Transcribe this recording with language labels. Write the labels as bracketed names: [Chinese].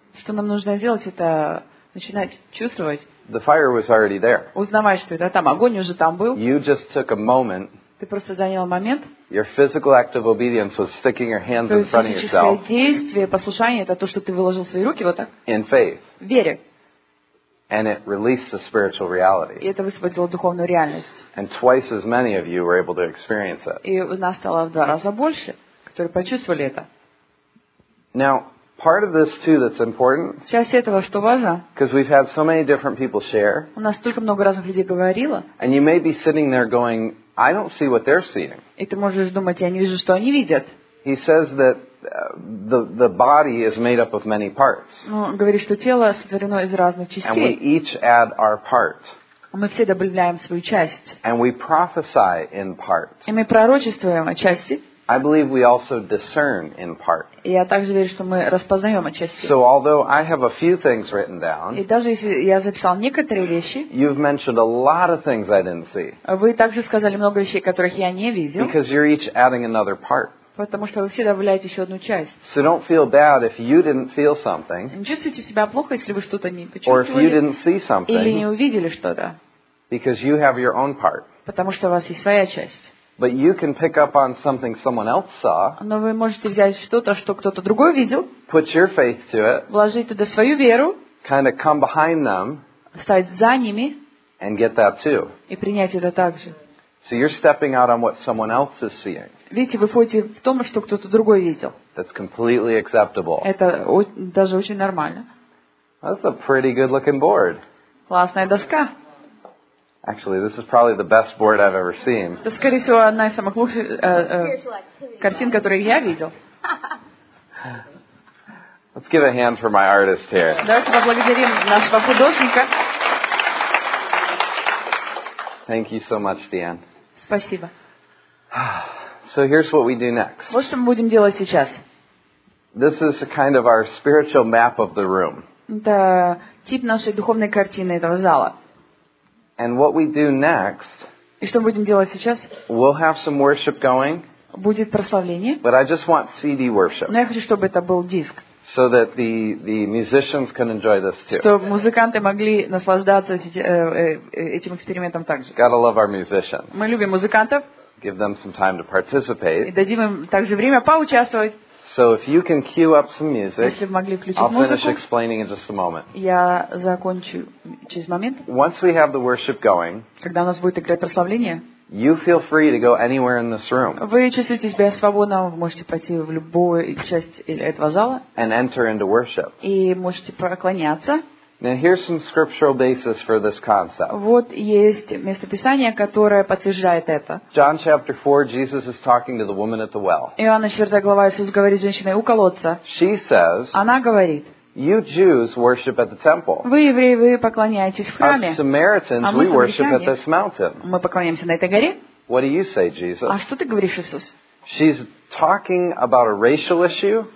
[Russian] Что нам нужно сделать, это начинать чувствовать. [English] The fire was already there. [Russian] Узнавать, что это там, огонь уже там был. [English] You just took a moment. [Russian] Ты просто занял момент. [English] Your physical act of obedience was sticking your hands in front of yourself. [Russian] То есть физическое действие, послушание, это то, что ты выложил свои руки вот так. [English] In faith. [Russian] В вере. [English] And it released the spiritual reality. [Russian] И это высвободило духовную реальность. [English] And twice as many of you were able to experience it. [Russian] И у нас стало в два раза больше, которые почувствовали это. [English] Now, part of this too that's important. [Russian] Часть этого, что важно. [English] Because we've had so many different people share. [Russian] У нас столько много разных людей говорило. [English] And you may be sitting there going, I don't see what they're seeing. [Russian] И ты можешь думать, я не вижу, что они видят. [English] He says that the body is made up of many parts. [Russian] Ну, говорит, что тело сотворено из разных частей. [English] And we each add our part. [Russian] Мы все добавляем свою часть. [English] And we prophesy in part. [Russian] И мы пророчествуем о части. [English] I believe we also discern in part. [Russian] Я также верю, что мы распознаем о части. [English] So although I have a few things written down. [Russian] И даже если я записал некоторые вещи. [English] You've mentioned a lot of things I didn't see. [Russian] Вы также сказали много вещей, которых я не видел. [English] Because you're each adding another part. [Russian] Потому что вы все добавляете еще одну часть. [English] So don't feel bad if you didn't feel something. [Russian] Не чувствуйте себя плохо, если вы что-то не почувствовали. [English] Or if you didn't see something. [Russian] Или не увидели что-то. [English] Because you have your own part. [Russian] Потому что у вас есть своя часть. [English] But you can pick up on something someone else saw. [Russian] Но вы можете взять что-то, что кто-то другой видел. [English] Put your faith to it. [Russian] Вложить туда свою веру. [English] Kind of come behind them. [Russian] Стать за ними. [English] And get that too. [Russian] И принять это также. [English] So you're stepping out on what someone else is seeing. [Russian] Видите, вы входите в том, что кто-то другой видел. [English] That's completely acceptable. [Russian] Это даже очень нормально. [English] That's a pretty good-looking board. [Russian] Классная доска. [English] Actually, this is probably the best board I've ever seen. [Russian] Это, скорее всего, одна из самых лучших картин, которые я видел. [English] Let's give a hand for my artist here. [Russian] Давайте поблагодарим нашего художника. [English] Thank you so much, Dan. [Russian] Спасибо. [English] So here's what we do next. [Russian] Вот что мы будем делать сейчас. [English] This is a kind of our spiritual map of the room. [Russian] Это тип нашей духовной картины этого зала. [English] And what we do next? [Russian] И что мы будем делать сейчас? [English] We'll have some worship going. [Russian] Будет прославление. [English] But I just want CD worship. [Russian] Но я хочу, чтобы это был диск. [English] So that the musicians can enjoy this too. [Russian] Чтобы музыканты могли наслаждаться этим экспериментом также. [English] Gotta love our musicians. [Russian] Мы любим музыкантов. [English] Give them some time to participate. [Russian] И дадим им также время поучаствовать. [English] So if you can cue up some music, [Russian] если вы могли включить [English] I'll [Russian] музыку, [English] finish explaining in just a moment. [Russian] Я закончу через момент. [English] Once we have the worship going, [Russian] когда у нас будет играть прославление, [English] you feel free to go anywhere in this room. [Russian] Вы чувствуете себя свободно, вы можете пойти в любую часть этого зала. [English] And enter into worship. [Russian] И можете поклоняться. [English] Now here's some scriptural basis for this concept. [Russian] Вот есть местописание, которое подтверждает это. [English] John chapter 4, Jesus is talking to the woman at the well. [Russian] Иоанна 4 глава, Иисус говорит женщине у колодца. [English] She says. [Russian] Она говорит. [English] You Jews worship at the temple. [Russian] Вы евреи, вы поклоняетесь в храме. [English] Us Samaritans, we worship at this mountain. [Russian] Мы поклоняемся на этой горе. [English] What do you say, Jesus? [Russian] А что ты говоришь, Иисус? [English] She's talking about a racial issue.